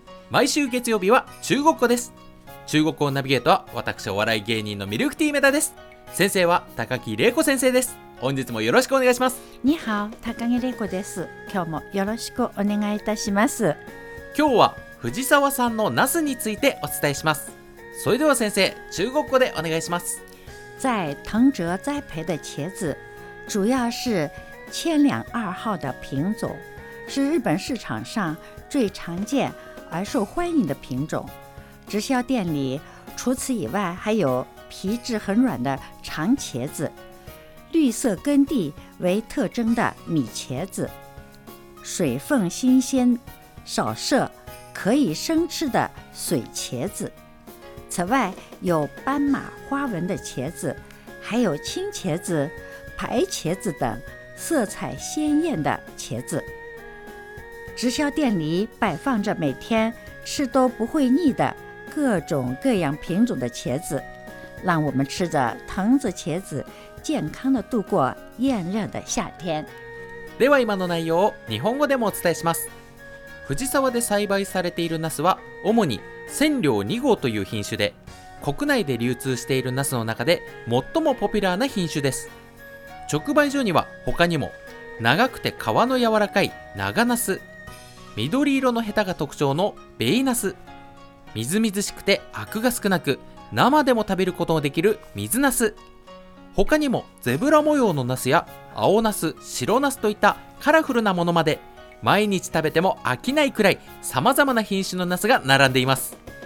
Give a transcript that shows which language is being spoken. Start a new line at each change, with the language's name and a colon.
Japanese: 毎週月曜日は中国語です。中国語ナビゲートは私お笑い芸人のミルクティーメタです。先生は高木玲子先生です。本日もよろしくお願いします。
Chinese: 你好、
Japanese: 高木玲子です。今日もよろしくお願いいたします。今日は藤沢さんのナスについてお伝えします。それでは先生、中国語でお願いします。
Chinese: 在藤泽栽培的茄子主要是千两二号的品种，是日本市场上最常见而受欢迎的品种。直销店里除此以外还有皮质很软的长茄子，绿色根蒂为特征的米茄子，水分新鲜，少摄，可以生吃的水茄子。此外有斑马花纹的茄子，还有青茄子、白茄子等色彩鲜艳的茄子。直销店里摆放着每天吃都不会腻的各种各样品种的茄子，让我们吃着藤子茄子健康的度过炎热的夏天。
Japanese: では今の内容を日本語でもお伝えします。藤沢で栽培されているナスは主に千両2号という品種で、国内で流通しているナスの中で最もポピュラーな品種です。直売所には他にも長くて皮の柔らかい長ナス、緑色のヘタが特徴のベイナス、みずみずしくてアクが少なく生でも食べることのできるミズナス、他にもゼブラ模様のナスや青ナス、白ナスといったカラフルなものまで、毎日食べても飽きないくらい様々な品種のナスが並んでいます。